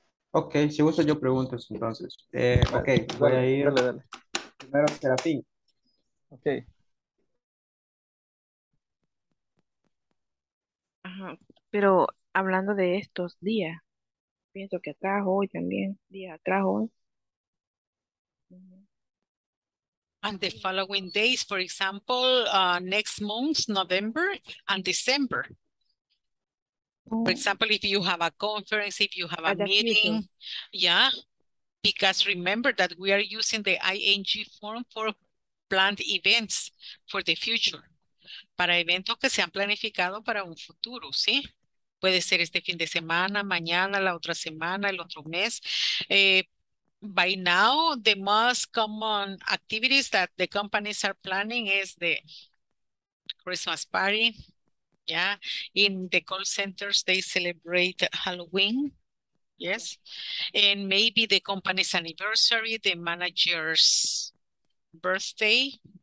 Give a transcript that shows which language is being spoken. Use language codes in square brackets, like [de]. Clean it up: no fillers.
[es] Ok, si gusta yo pregunto eso, entonces. Ok, voy a ir. Dale, dale. Primero, Serafín. Ok. Ajá. Pero hablando de estos días, pienso que atrás hoy también, día atrás hoy. [en] And the following days, for example, next month, November and December. For example, if you have a conference, if you have a meeting, yeah, because remember that we are using the ING form for planned events for the future, [es] para eventos que se han planificado para un futuro, [en] ¿sí? [es] Puede ser este fin de semana, mañana, la otra semana, el otro mes. [en] By now, the most common activities that the companies are planning is the Christmas party. Yeah, in the call centers, they celebrate Halloween, yes. And maybe the company's anniversary, the manager's birthday.